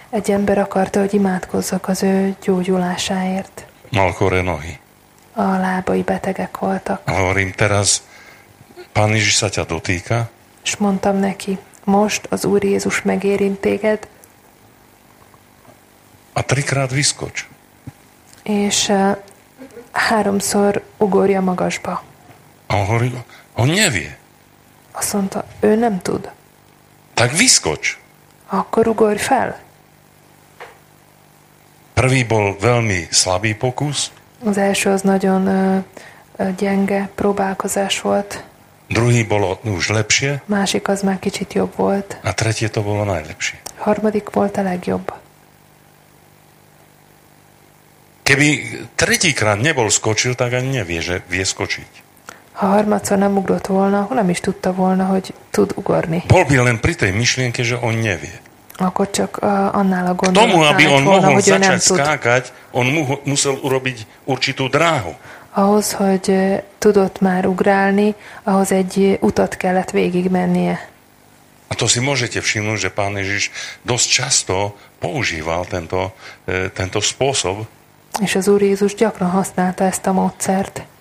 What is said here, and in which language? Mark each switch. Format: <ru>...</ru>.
<hu>Egy ember akarta, hogy imádkozzak az ő gyógyulásáért.</hu> <sk>Mal choré nohy.</sk> <hu>A lábai betegek voltak.</hu> <sk>A hovorím teraz, Pán Ježiš sa ťa dotýka.</sk> <hu>És mondtam neki, most az Úr Jézus megérint téged.</hu> <sk>A trikrát viszkocs.</sk> <hu>És háromszor ugorja magasba.</hu> <sk>A hovorím, on nevie.</sk> <hu>Azt mondta, ő nem tud.</hu> <sk>Tak viszkocs.</sk> <hu>Akkor ugorj fel.</hu> <sk>Prvý bol veľmi slabý pokus.</sk> <hu>Az első az nagyon gyenge próbálkozás volt.</hu> <sk>Druhý bolo už lepšie.</sk> <hu>Másik az már kicsit jobb volt.</hu> <sk>A tretie to bolo najlepšie.</sk> <hu>Harmadik volt a legjobb.</hu> <sk>Keby tretíkrát nebol skočil, tak ani nevie, že vie skočiť.</sk> <hu>Ha harmadszor nem ugrott volna, akkor nem is tudta volna, hogy tud ugorni.</hu> <sk>Bol by len pri tej myšlienke, že on nevie.</sk> <hu>Akkor csak annál a gondolat.</hu> <sk>K tomu, aby on mohol začať skákať, on musel urobiť určitú dráhu.</sk> <hu>Ahhoz, hogy tudott már ugrálni, ahhoz egy utat kellett végigmennie.</hu> <sk>A to si môžete všimnúť, že Pán Ježiš dosť často používal tento spôsob.</sk> <hu>És az Úr Jézus gyakran használta ezt a módszert.</hu>